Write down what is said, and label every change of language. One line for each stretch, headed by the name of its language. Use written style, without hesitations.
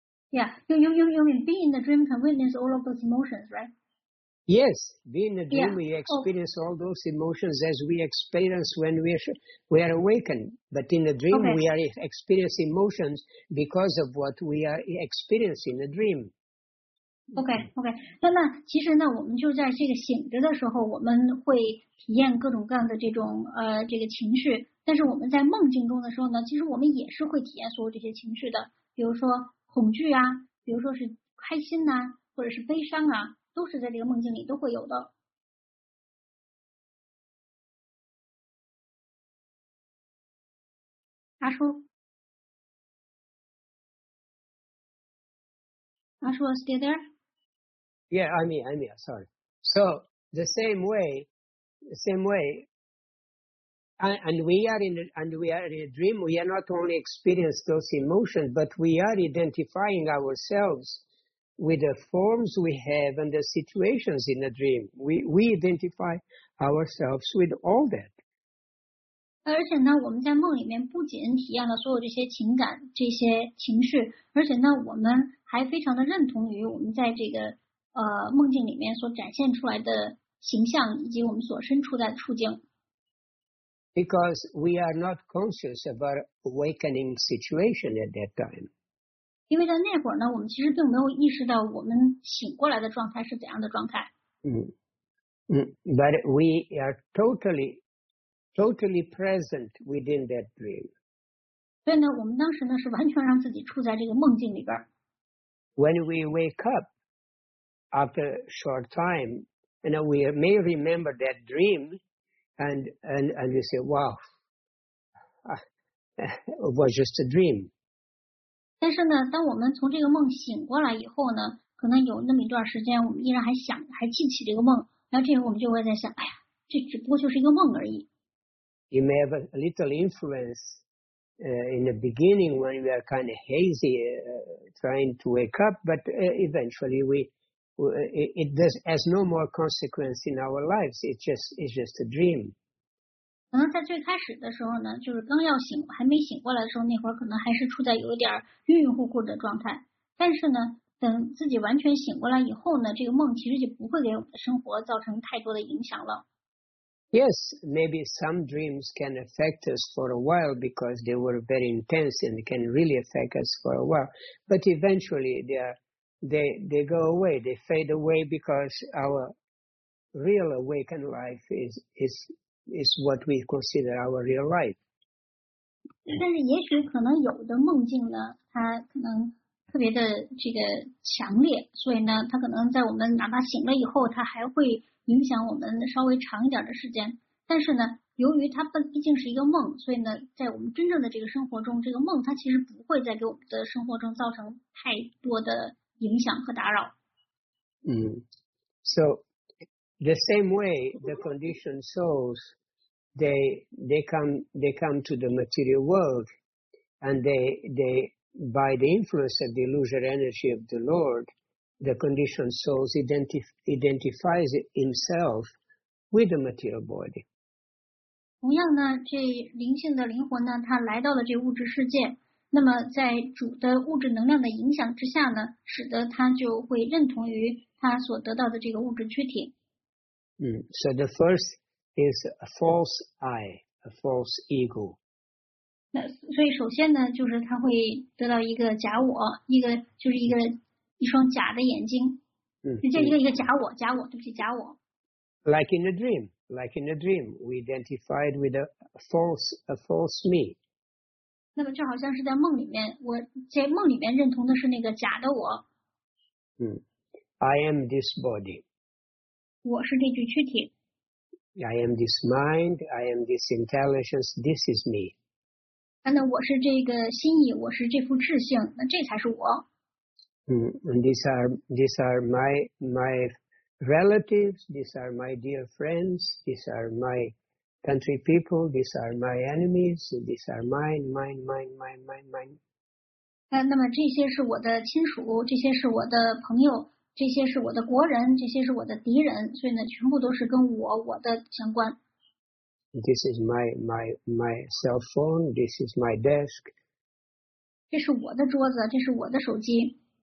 English: Yeah, you mean being in the dream can witness all of those emotions, right? Yes, being in the dream, we experience all those emotions as we experience when we are awakened. But in the dream, we are experiencing emotions because of what we are experiencing in the dream. Okay.
Chinese: 那么其实呢，我们就在这个醒着的时候，我们会体验各种各样的这种这个情绪。但是我们在梦境中的时候呢，其实我们也是会体验所有这些情绪的，比如说。恐惧啊，比如说是开心呐、啊，或者是悲伤啊，都是在这个梦境里都会有的。
English: 阿叔 ，still there? Yeah, I'm here. Sorry. So the same way. And we are in a dream. We are not only experiencing those emotions, but we are identifying ourselves with the forms we have and the situations in a dream. We identify ourselves with all that.
Chinese: 而且呢，我们在梦里面不仅体验了所有这些情感、这些情绪，而且呢，我们还非常的认同于我们在这个梦境里面所展现出来的形象以及我们所身处在的处境。
English: Because we are not conscious of our awakening situation at that time.
Chinese: 因为在那会儿呢，我们其实并没有意识到我们醒过来的状态是怎样的状态。
English: But we are totally, totally present within that dream.
Chinese: 所以呢，我们当时呢是完全让自己处在这个梦境里边。
English: When we wake up after a short time, and we may remember that dream. And you say, wow, it was just a dream.
Chinese: 但是呢，当我们从这个梦醒过来以后呢，可能有那么一段时间，我们依然还记起这个梦，然后这时候我们就会在想，哎呀，这只不过就是一个梦而已。
English: You may have a little influence, in the beginning when we are kind of hazy, trying to wake up, but eventually it does has no more consequence in our lives. It's just a dream.
Chinese: 可能在最开始的时候呢，就是刚要醒，还没醒过来的时候，那会儿可能还是处在有一点晕晕乎乎的状态。但是呢，等自己完全醒过来以后呢，这个梦其实就不会给我们的生活造成太多的影响了。
English: Yes, maybe some dreams can affect us for a while because they were very intense and can really affect us for a while. But eventually, they go away, they fade away because our real awakened life is what we consider our real life.
Chinese: 但是也许可能有的梦境呢，它可能特别的这个强烈，所以呢，它可能在我们哪怕醒了以后，它还会影响我们稍微长一点的时间。但是呢，由于它毕竟是一个梦，所以呢，在我们真正的这个生活中，这个梦它其实不会再给我们的生活中造成太多的影响和打扰。
English: So, the same way the conditioned souls, they come to the material world, and they by the influence of the illusory energy of the Lord, the conditioned souls identifies himself with the material body.
Chinese: 同样呢，这灵性的灵魂呢，它来到了这物质世界。那么，在主的物质能量的影响之下呢，使得他就会认同于他所得到的这个物质躯体。
English: So the first is a false I, a false ego.
Chinese: 那所以首先呢，就是他会得到一个假我，一个就是一个一双假的眼睛，就一个假我，假我，对不起，假我。
English: Like in a dream, we identified with a false me.
Chinese: 那么就好像是在梦里面，我在梦里面认同的是那个假的我。
English: I am this body.
Chinese: 我是这具躯体。
English: I am this mind. I am this intelligence. This is me.
Chinese: 那我是这个心意，我是这副智性，那这才是我。
English: And these are my relatives, these are my dear friends, these are my country people, these are my enemies, these are mine.
Chinese: 那么这些是我的亲属，这些是我的朋友，这些是我的国人，这些是我的敌人，所以呢全部都是跟我的相关。
English: This is my cell phone, this is my desk.
Chinese: 这是我的桌子，这是我的手机。